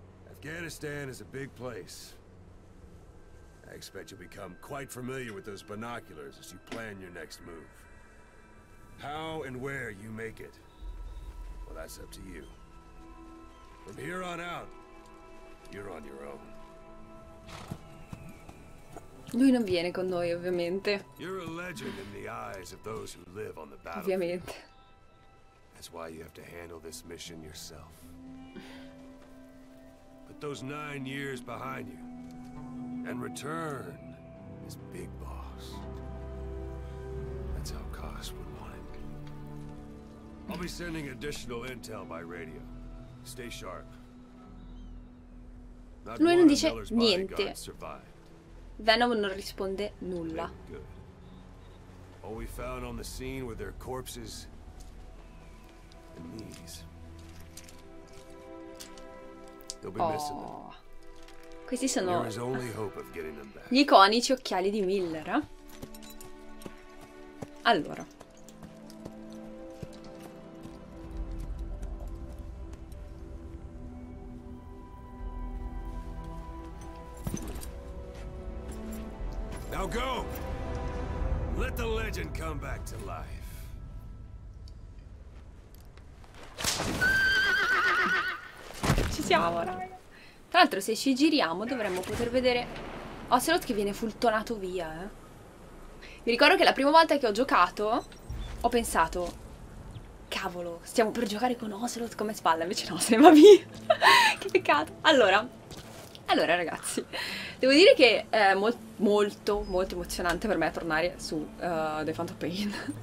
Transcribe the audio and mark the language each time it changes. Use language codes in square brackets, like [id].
[en] Afghanistan is a big place. I expect you'll become quite familiar with those binoculars as you plan your next move. How and where you make it, well, that's up to you. From here on out, you're on your own. [it] Lui non viene con noi, ovviamente. [en] You're a legend in the eyes of those who live on the battlefield. [it] Ovviamente. [en] That's why you have to handle this mission yourself. Put those 9 years behind you. And return is big boss. That's how Koss would want it. I'll be sending additional intel by radio. Stay sharp. [it] Not lui non dice niente. Venom non risponde nulla. [en] All we found on the scene were their corpses and these. They'll be missing them. [it] Questi sono gli iconici occhiali di Miller. Allora. [en] Now go. Let the legend come back to life. [it] Ci siamo ora. Tra l'altro, se ci giriamo dovremmo poter vedere Ocelot che viene fultonato via, eh. Mi ricordo che la prima volta che ho giocato ho pensato: cavolo, stiamo per giocare con Ocelot come spalla. Invece no, se ne va via. Che peccato. Allora ragazzi, devo dire che è molto emozionante per me tornare su The Phantom Pain.